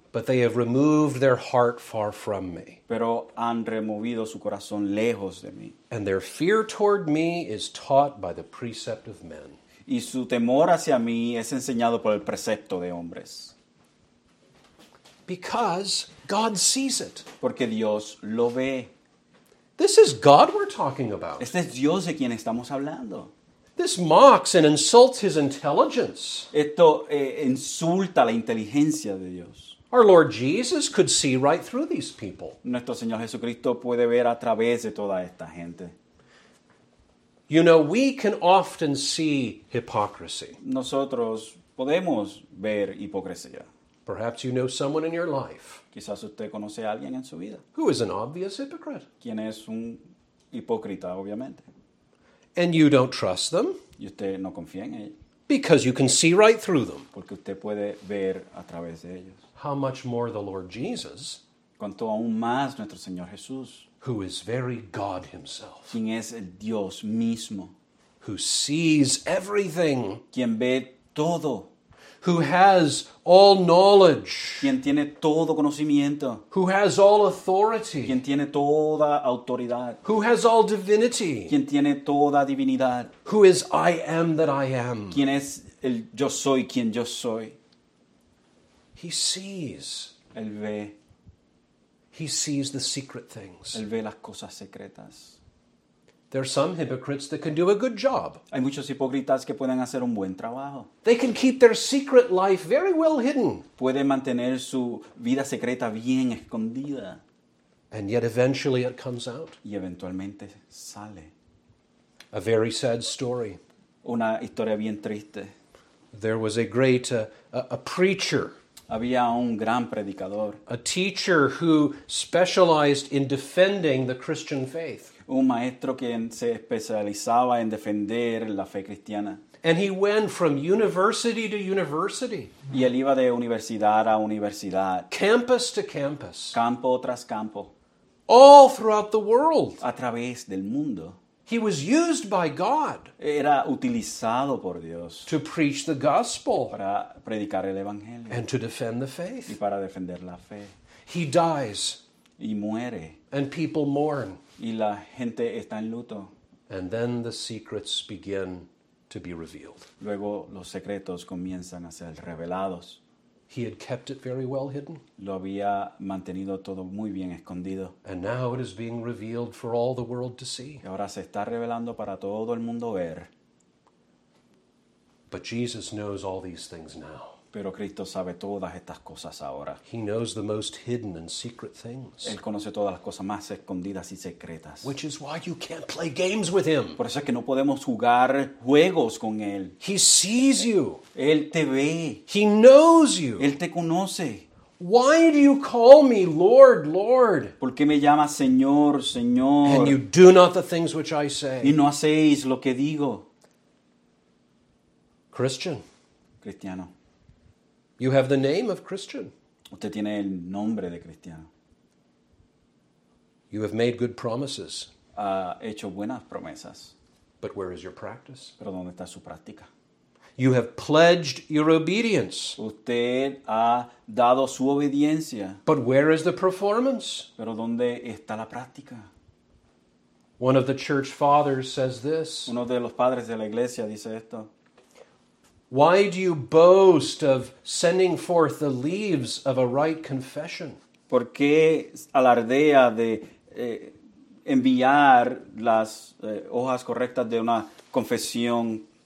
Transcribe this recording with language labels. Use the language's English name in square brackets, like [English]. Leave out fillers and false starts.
[English] But they have removed their heart far from me. [Spanish] Pero han removido su corazón lejos de mí. [English] And their fear toward me is taught by the precept of men. [Spanish] Y su temor hacia mí es enseñado por el precepto de hombres. [English] Because God sees it. [Spanish] Porque Dios lo ve. [English] This is God we're talking about. [Spanish] Este es Dios de quien estamos hablando. [English] This mocks and insults his intelligence. [Spanish] Esto insulta la inteligencia de Dios. [English] Our Lord Jesus could see right through these people. [Spanish] Nuestro Señor Jesucristo puede ver a través de toda esta gente. [English] You know, we can often see hypocrisy. [Spanish] Nosotros podemos ver hipocresía. [English] Perhaps you know someone in your life. [Spanish] Quizás usted conoce a alguien en su vida. [English] Who is an obvious hypocrite? [Spanish] ¿Quién es un hipócrita, obviamente? [English] And you don't trust them. [Spanish] Y usted no confía en ellos. [English] Because you can see right through them. [Spanish] Porque usted puede ver a través de ellos. [English] How much more the Lord Jesus, [Spanish] cuanto aún más nuestro Señor Jesús, [English] who is very God himself, [Spanish] quien es el Dios mismo, [English] who sees everything, [Spanish] quien ve todo, [English] who has all knowledge, [Spanish] quien tiene todo conocimiento, [English] who has all authority, [Spanish] quien tiene toda autoridad, [English] who has all divinity, [Spanish] quien tiene toda divinidad, [English] who is I am that I am, [Spanish] quien es el yo soy quien yo soy. [English] He sees. [Spanish] Él ve. [English] He sees the secret things. [Spanish] Él ve las cosas secretas. [English] There are some hypocrites that can do a good job. [Spanish] Hay muchos hipócritas que pueden hacer un buen trabajo. [English] They can keep their secret life very well hidden. [Spanish] Pueden mantener su vida secreta bien escondida. [English] And yet eventually it comes out. [Spanish] Y eventualmente sale. [English] A very sad story. [Spanish] Una historia bien triste. [English] There was a preacher. [Spanish] Había un gran predicador. [English] A teacher who specialized in defending the Christian faith. [Spanish] Un maestro que se especializaba en defender la fe cristiana. [English] And he went from university to university. [Spanish] Y él iba de universidad a universidad. [English] Campus to campus. [Spanish] Campo tras campo. [English] All throughout the world. [Spanish] A través del mundo. [English] He was used by God. [Spanish] Era utilizado por Dios. [English] To preach the gospel. [Spanish] Para predicar el evangelio. [English] And to defend the faith. [Spanish] Y para defender la fe. [English] He dies. [Spanish] Y muere. [English] And people mourn. [Spanish] Y la gente está en luto. [English] And then the secrets begin to be revealed. [Spanish] Luego los secretos comienzan a ser revelados. [English] He had kept it very well hidden. [Spanish] Lo había mantenido todo muy bien escondido. [English] And now it is being revealed for all the world to see. [Spanish] Ahora se está revelando para todo el mundo ver. [English] But Jesus knows all these things now. [Spanish] Pero Cristo sabe todas estas cosas ahora. [English] He knows the most hidden and secret things. [Spanish] Él conoce todas las cosas más escondidas y secretas. [English] Which is why you can't play games with him. [Spanish] Por eso es que no podemos jugar juegos con él. [English] He sees you. [Spanish] Él te ve. [English] He knows you. [Spanish] Él te conoce. [English] Why do you call me Lord, Lord? [Spanish] ¿Por qué me llamas Señor, Señor? [English] And you do not the things which I say. [Spanish] Y no hacéis lo que digo. [English] Christian. [Spanish] Cristiano. [English] You have the name of Christian. [Spanish] Usted tiene el nombre de cristiano. [English] You have made good promises. [Spanish] Ha hecho buenas promesas. [English] But where is your practice? [Spanish] ¿Pero dónde está su práctica? [English] You have pledged your obedience. [Spanish] Usted ha dado su obediencia. [English] But where is the performance? [Spanish] ¿Pero dónde está la práctica? [English] One of the church fathers says this. [Spanish] Uno de los padres de la iglesia dice esto. [English] Why do you boast of sending forth the leaves of a right confession? [Spanish] ¿Por qué alardea de enviar las hojas correctas de una confesión?